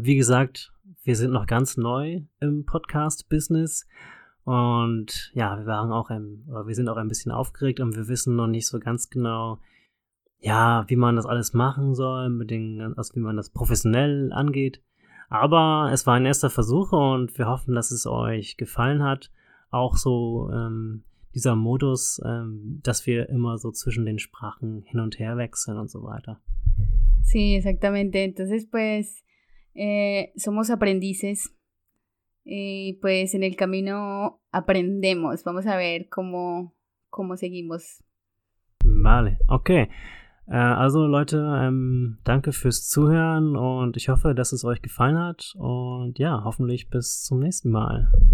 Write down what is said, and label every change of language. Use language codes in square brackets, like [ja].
[de] Wie gesagt, wir sind noch ganz neu im Podcast-Business und ja, wir waren auch wir sind auch ein bisschen aufgeregt und wir wissen noch nicht so ganz genau, ja, wie man das alles machen soll, mit den, also wie man das professionell angeht. Aber es war ein erster Versuch und wir hoffen, dass es euch gefallen hat. Auch so dieser Modus, dass wir immer so zwischen den Sprachen hin und her wechseln und so weiter. [es] Sí, exactamente. Entonces, pues, somos aprendices. Y pues, en el camino aprendemos. Vamos a ver cómo seguimos. Vale, okay. [de] Also Leute, danke fürs Zuhören und ich hoffe, dass es euch gefallen hat und ja, hoffentlich bis zum nächsten Mal.